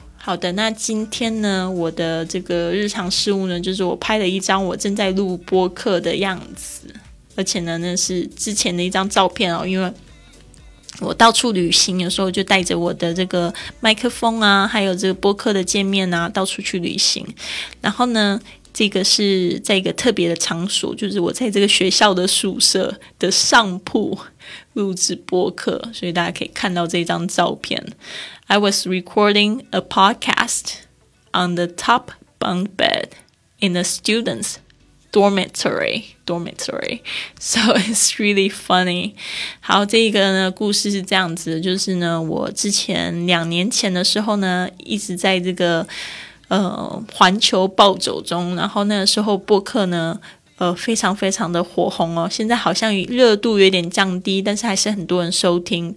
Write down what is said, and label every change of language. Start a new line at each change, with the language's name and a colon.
Chinese: 好的，那今天呢我的这个日常事物呢，就是我拍了一张我正在录播客的样子，而且呢那是之前的一张照片哦，因为我到处旅行，有时候就带着我的这个麦克风啊，还有这个播客的界面啊，到处去旅行。然后呢这个是在一个特别的场所，就是我在这个学校的宿舍的上铺录制播客，所以大家可以看到这张照片。
English: I was recording a podcast on the top bunk bed in a student'sdormitory. So it's really funny.
Chinese: 好，这个呢故事是这样子的，就是呢我之前两年前的时候呢一直在这个环球暴走中，然后那个时候播客呢非常非常的火红哦，现在好像热度有点降低，但是还是很多人收听。